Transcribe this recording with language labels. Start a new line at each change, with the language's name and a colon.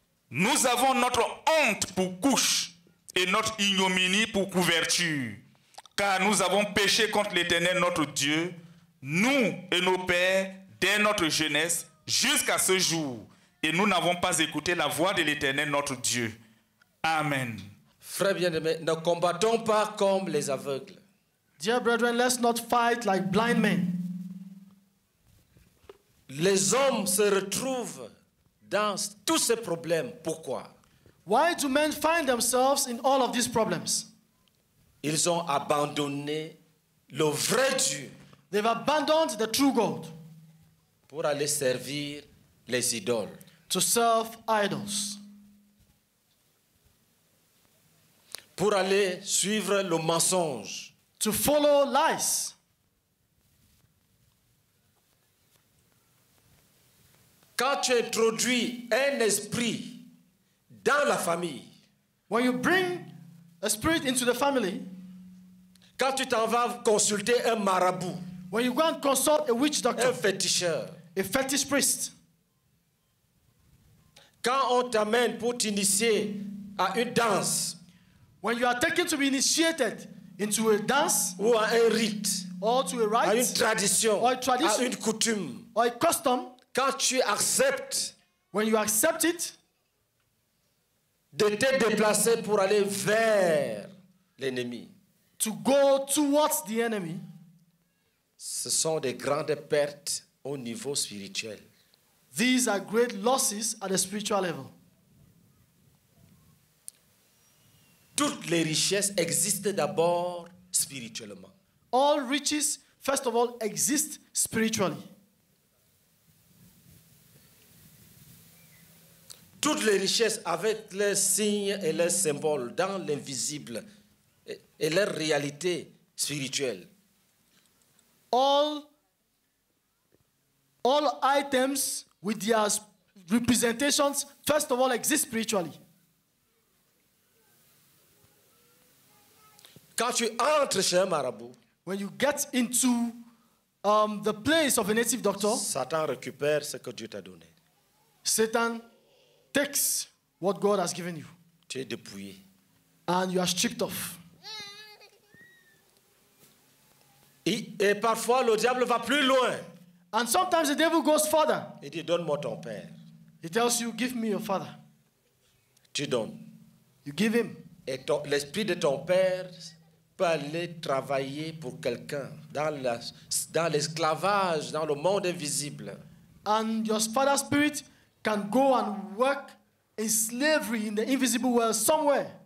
French: Nous avons notre honte pour couche et notre ignominie pour couverture, car nous avons péché contre l'Éternel notre Dieu, nous et nos pères, dès notre jeunesse jusqu'à ce jour, et nous n'avons pas écouté la voix de l'Éternel notre Dieu. Amen. Frères bien-aimés, ne combattons pas comme les aveugles.
English: Dear brethren, let's not fight like blind men.
French: Les hommes se retrouvent dans tous ces problèmes. Pourquoi?
English: Why do men find themselves in all of these problems?
French: Ils ont abandonné le vrai Dieu.
English: They've abandoned the true God.
French: Pour aller servir les idoles.
English: To serve idols.
French: Pour aller suivre le mensonge.
English: To follow lies.
French: Quand tu introduis un esprit dans la famille.
English: When you bring a spirit into the family.
French: Quand tu t'en vas consulter un marabout.
English: When you go and consult a witch doctor.
French: Un féticheur.
English: A fetish priest.
French: Quand on t'amène pour t'initier à une danse.
English: When you are taken to be initiated into a dance.
French: Ou à un rite.
English: Or to a rite.
French: À une tradition.
English: Or a tradition.
French: À une coutume.
English: Or a custom.
French: Quand tu acceptes.
English: When you accept it.
French: De te déplacer pour aller vers l'ennemi.
English: To go towards the enemy.
French: Ce sont des grandes pertes au niveau spirituel.
English: These are great losses at a spiritual level.
French: Toutes les richesses existent d'abord spirituellement.
English: All riches, first of all, exist spiritually.
French: Toutes les richesses avec leurs signes et leurs symboles dans l'invisible et leur réalité spirituelle.
English: All items with their representations, first of all, exist spiritually.
French: Quand tu entres chez un marabout,
English: when you get into the place of a native doctor,
French: Satan récupère ce que Dieu t'a donné.
English: Satan takes what God has given you.
French: Tu es dépouillé.
English: And you are stripped off.
French: Et parfois le diable va plus loin.
English: And sometimes the devil goes further.
French: Il dit donne-moi ton père.
English: He tells you give me your father.
French: Tu donnes.
English: You give him.
French: Et ton, l'esprit de ton père peut aller travailler pour quelqu'un dans l'esclavage, dans le monde invisible.
English: And your father's spirit can go and work in slavery in the invisible world somewhere.